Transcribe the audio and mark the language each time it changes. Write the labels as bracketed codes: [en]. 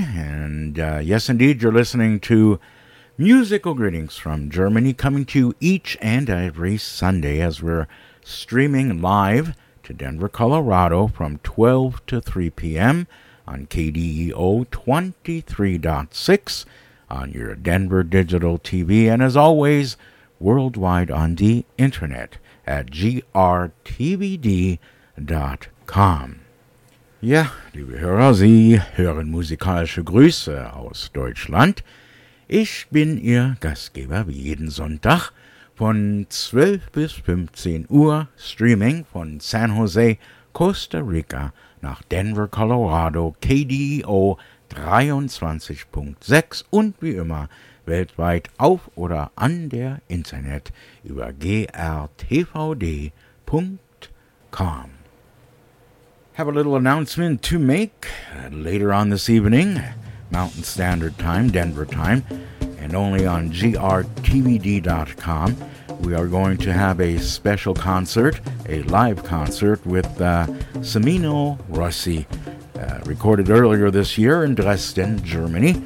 [en] And yes, indeed, you're listening to Musical Greetings from Germany, coming to you each and every Sunday as we're streaming live to Denver, Colorado from 12 to 3 p.m. on KDEO 23.6 on your Denver Digital TV, and as always, worldwide on the internet at grtvd.com. [de] Ja, liebe Hörer, Sie hören musikalische Grüße aus Deutschland. Ich bin Ihr Gastgeber wie jeden Sonntag von 12 bis 15 Uhr streaming von San Jose, Costa Rica nach Denver, Colorado, KDEO 23.6 und wie immer weltweit auf oder an der Internet über grtvd.com. [en] Have a little announcement to make later on this evening, Mountain Standard Time, Denver Time, and only on grtvd.com. We are going to have a special concert, a live concert with Semino Rossi, recorded earlier this year in Dresden, Germany.